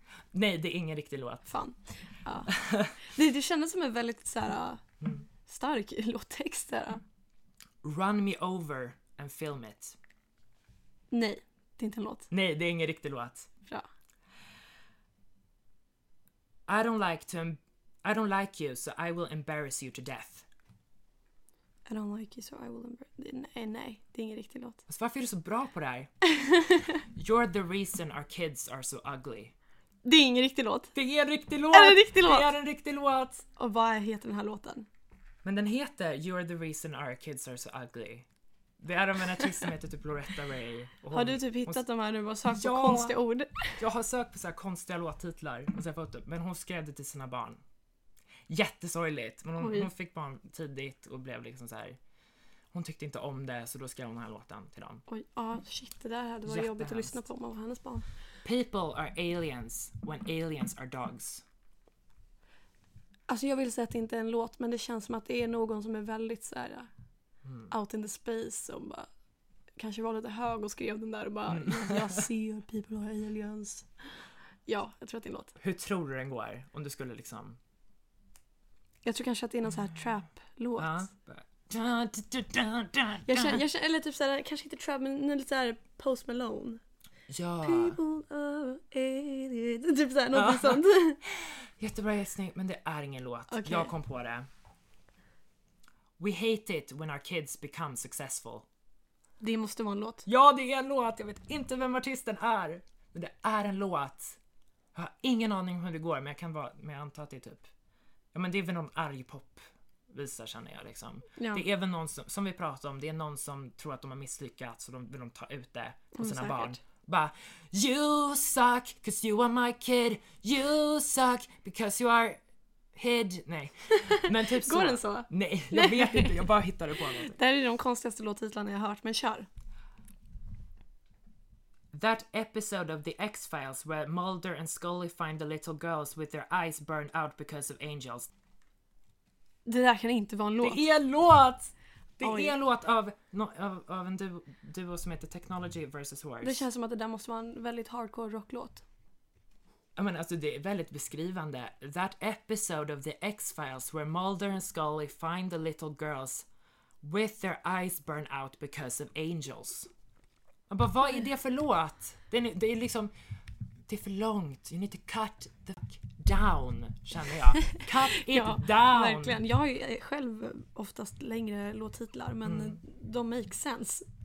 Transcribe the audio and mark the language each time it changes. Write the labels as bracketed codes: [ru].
[sv] Nej, det är ingen riktig låt. Fan. Ja. Det kändes som en väldigt så här, stark låttext. Här. [en] Run me over and film it. [sv] Nej. Det är inte en låt. Nej, det är ingen riktig låt. Bra. [en] I don't like you, so I will embarrass you to death. I don't like you, so I will embarrass... [sv] Nej, det är ingen riktig låt. Alltså, varför är du så bra på det här? [en] You're the reason our kids are so ugly. [sv] Det är ingen riktig låt. Det är en riktig låt! Det är en riktig låt! Och vad heter den här låten? Men den heter You're the reason our kids are so ugly. Det är av en artist som heter typ Loretta Ray. Och har du typ hittat de här nu och sökt på konstiga ord? Jag har sökt på så här konstiga låttitlar. Och så fått, men hon skrev det till sina barn. Jättesorgligt. Men hon fick barn tidigt och blev liksom så här. Hon tyckte inte om det, så då skrev hon den här låten till dem. Oj, shit, det där hade varit jobbigt att lyssna på om man var hennes barn. [en] People are aliens when aliens are dogs. [sv] Alltså jag vill säga att det inte är en låt, men det känns som att det är någon som är väldigt så här. [en] Out in the space, [sv] som bara kanske var lite hög och skrev den där och bara, jag ser people och aliens. Ja, jag tror att det är en låt. Hur tror du den går, om du skulle liksom... Jag tror kanske att det är någon så här trap-låt. Eller typ så här, kanske inte trap, men lite så här Post Malone. Ja. [en] People are aliens. [sv] Typ så här, något sånt. Jättebra gissning, men det är ingen låt. Okay. Jag kom på det. [en] We hate it when our kids become successful. [sv] Det måste vara en låt. Ja, det är en låt. Jag vet inte vem artisten är. Men det är en låt. Jag har ingen aning om hur det går, men jag kan vara, men jag antar att det är typ... Ja, men det är väl någon arg pop-visa, känner jag liksom. Ja. Det är väl någon som vi pratar om, det är någon som tror att de har misslyckats och de vill ta ut det på sina barn. Bara, [en] you suck because you are my kid. You suck because you are... Hid, [sv] nej. Men typ så. Går den så? Nej, jag vet inte, jag bara hittade på något. Det här är de konstigaste låttitlarna jag har hört, men kör. [en] That episode of The X-Files where Mulder and Scully find the little girls with their eyes burned out because of angels. [sv] Det där kan inte vara en låt. Det är en låt! Det är en låt av, av en duo som heter Technology vs. Horse. Det känns som att det där måste vara en väldigt hardcore rocklåt. [en] I mean, [sv] alltså, det är väldigt beskrivande. [en] That episode of The X-Files where Mulder and Scully find the little girls with their eyes burned out because of angels. [sv] Jag bara, vad är det för låt? Det är liksom, det är för långt. [en] You need to cut the fuck down, [sv] känner jag. [en] Cut it [sv] ja, [en] down. [sv] Verkligen. Jag har ju själv oftast längre låttitlar, men de [en] make sense.